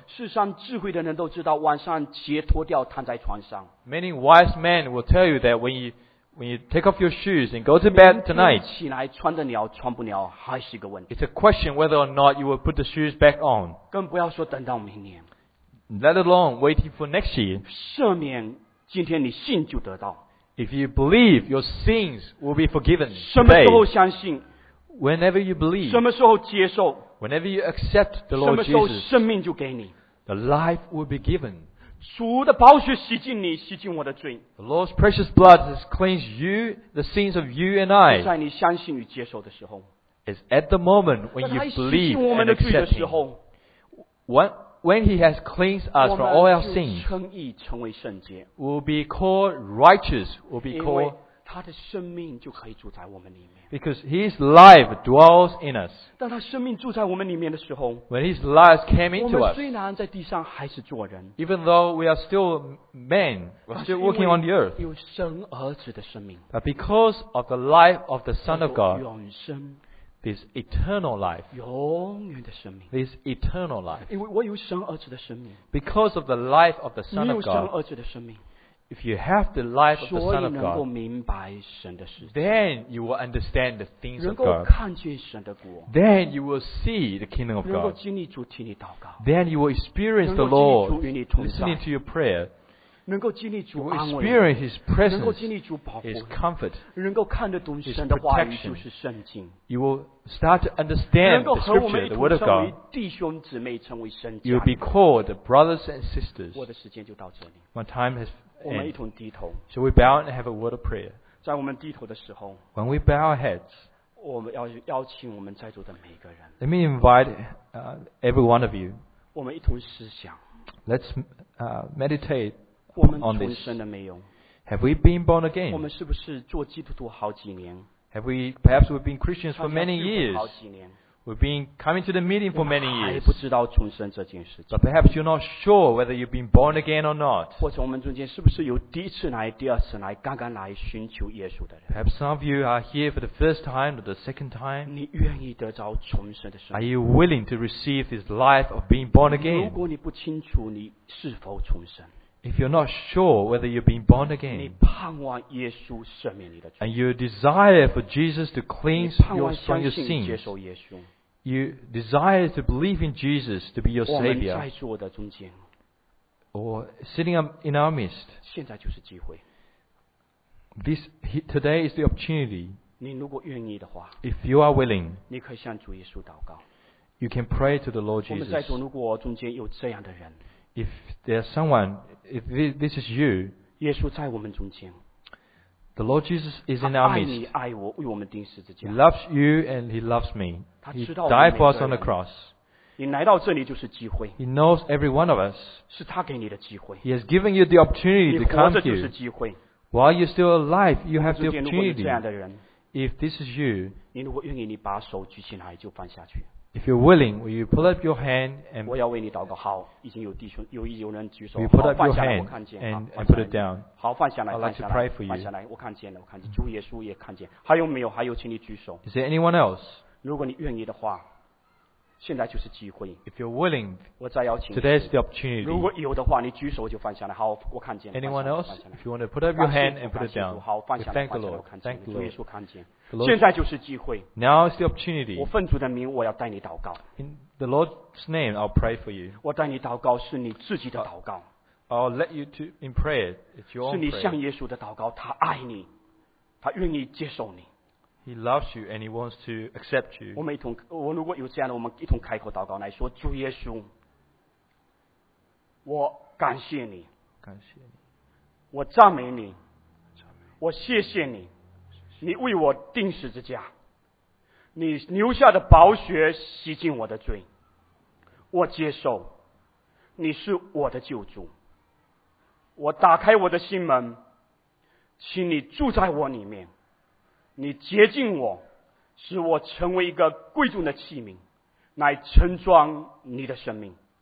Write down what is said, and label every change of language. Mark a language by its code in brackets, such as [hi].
[zh] 世上智慧的人都知道晚上解脱掉躺在床上。 [en] Many wise men will tell you that when you take off your shoes and go to bed tonight, [zh] 起来穿得了穿不了还是一个问题。 [en] It's a question whether or not you will put the shoes back on. [zh] 更不要说等到明年。 [en] Let alone waiting for next year. [zh] 赦免今天你信就得到。 [en] If you believe, your sins will be forgiven today. [zh] 什么时候相信? [en] Whenever you believe. [zh] 什么时候接受? [en] Whenever you accept the Lord Jesus. [zh] 什么时候生命就给你? [en] The life will be given. [zh] 主的宝血洗净你,洗净我的罪。 [en] The Lord's precious blood has cleansed you, the sins of you and I. [zh] 在你相信与接受的时候。 [en] It's at the moment when you believe and accept him. When he has cleansed us from all our sins, we will be called righteous, we will be called [zh] 他的生命就可以住在我们里面。 [en] Because his life dwells in us. [zh] 当他生命住在我们里面的时候， [en] when his life came into us, [zh] 我们虽然在地上还是做人， [en] even though we are still men, we're still working on the earth. [zh] 有神儿子的生命， [en] but because of the life of the Son of God, [zh] 永生。 [en] This eternal life. [zh] 永远的生命。 [en] This eternal life. [zh] 因为我有神儿子的生命。 [en] Because of the life of the Son of God. [zh] 你有神儿子的生命。 [en] If you have the life of the Son of God, [zh] 所以能够明白神的事。 [en] Then you will understand the things of God. [zh] 能够看见神的国。 [en] Then you will see the kingdom of God. [zh] 能够经历主替你祷告。 [en] Then you will experience the Lord. [zh] 能够经历主与你同在。 [en] Listening to your prayer. [zh] 能够经历主安慰，能够 [en] experience His presence, [zh] 能够经历主保护， [en] His comfort, [zh] 能够看得懂神的话语就是圣经。 [en] You will start to understand the scripture, the word of God. [zh] 能够和我们一同成为弟兄姊妹，成为神家。 [en] You will be called brothers and sisters. [zh] 我的时间就到这里。 [en] My time has ended. [zh] 我们一同低头。 [en] Shall we bow and have a word of prayer? [zh] 在我们低头的时候， [en] when we bow our heads, [zh] 我们要邀请我们在座的每个人。 [en] Let me invite every one of you. [zh] 我们一同思想。 [en] Let's meditate. [zh] 我们重生了没有？ [en] Have we been born again? [zh] 我们是不是做基督徒好几年？ [en] Have we perhaps we've been Christians for many years? [zh] 好几年。 [en] We've been coming to the meeting for many years. [zh] 还不知道重生这件事情。 [en] But perhaps you're not sure whether you've been born again or not. [zh] 或者我们中间是不是有第一次来、第二次来、刚刚来寻求耶稣的人？ [en] Perhaps some of you are here for the first time or the second time. [zh] 你愿意得着重生的生命？ [en] Are you willing to receive this life of being born again? [zh] 如果你不清楚你是否重生。 [en] If you're not sure whether you've been born again, [zh] 你盼望耶稣赦免你的罪， [en] and you desire for Jesus to cleanse you from your sins, [zh] 接受耶稣， [en] you desire to believe in Jesus to be your Savior, [zh] 我们在座的中间， [en] or sitting in our midst, [zh] 现在就是机会。 [en] Today is the opportunity. [zh] 你如果愿意的话， [en] if you are willing, [zh] 你可以向主耶稣祷告， [en] you can pray to the Lord Jesus. [zh] 我们在座如果中间有这样的人， [en] if there's someone,If this is you, [zh] 耶稣在我们中间。 [en] The Lord Jesus is in our midst. [zh] 他爱你，爱我，为我们钉十字架。 [en] He loves you and He loves me. [zh] 他知道 [en] He died for us on the cross. [zh] 你来到这里就是机会。 [en] He knows every one of us. [zh] 是他给你的机会。 [en] He has given you the opportunity to come to you. [zh] 你活着就是机会。 [en] While you're still alive, you have the opportunity. [zh] 如果你这样的人， [en] if this is you, [zh] 你如果愿意，你把手举起来就放下去。 [en] If you're willing, will you pull up your hand and [zh] 我要为你祷告。好，已经有弟兄有人举手。 [en] You put up your hand and put it down. [zh] 好，放下来。 [en] I'd like to pray for you. [zh] 放下来，我看见了，我看见。主耶稣也看见。还有没有？还有，请你举手。 [en] Is there anyone else? [zh] 如果你愿意的话，现在就是机会。 [en] If you're willing, [zh] 我再邀请。 [en] Today is the opportunity. [zh] 如果有的话，你举手就放下来。好，我看见了。 [en] Anyone else? If you want to put up your hand and put it down. [zh] 好，放下来。 [en] Thank the Lord. [zh] 我看见了。主耶稣看见。 [en] Lord, [zh] 现在就是机会。 [en] Now is the opportunity. [zh] 我奉主的名，我要带你祷告。 [en] In the Lord's name, I'll pray for you. [zh] 我带你祷告是你自己的祷告。 [en] I'll let you to in prayer. It's your prayer. [zh] 是你向耶稣的祷告，他爱你，他愿意接受你。 [en] He loves you and he wants to accept you. [zh] 我们一同，我如果有这样的，我们一同开口祷告来说，主耶稣，我感谢你，感谢你，我赞美你，我谢谢你。你为我钉十字架，你流下的宝血洗净我的罪，我接受，你是我的救主，我打开我的心门，请你住在我里面，你洁净我，使我成为一个贵重的器皿，来盛装你的生命。